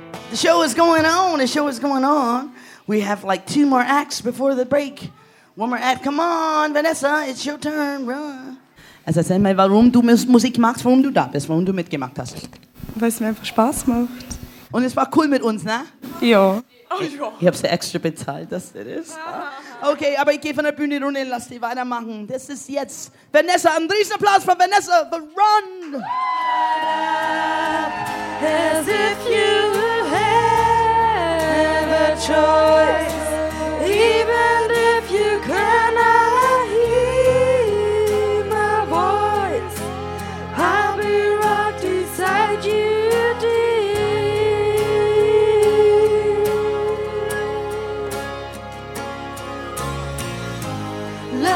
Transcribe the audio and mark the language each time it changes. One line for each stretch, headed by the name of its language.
English: The show is going on, the show is going on. We have like two more acts before the break. One more act, come on, Vanessa, it's your turn, run.
German: Also erzähl mal, warum du Musik machst, warum du da bist, warum du mitgemacht hast. Weil es mir einfach Spaß macht. Und es war cool mit uns, ne? Ja. Ich hab's ja extra bezahlt, dass das ist. Okay, aber ich gehe von der Bühne runter und lass dich weitermachen. Das ist jetzt Vanessa, einen riesen Applaus für Vanessa, the run!
English: As if you have a choice, even if you cannot hear my voice, I'll be right beside you, dear.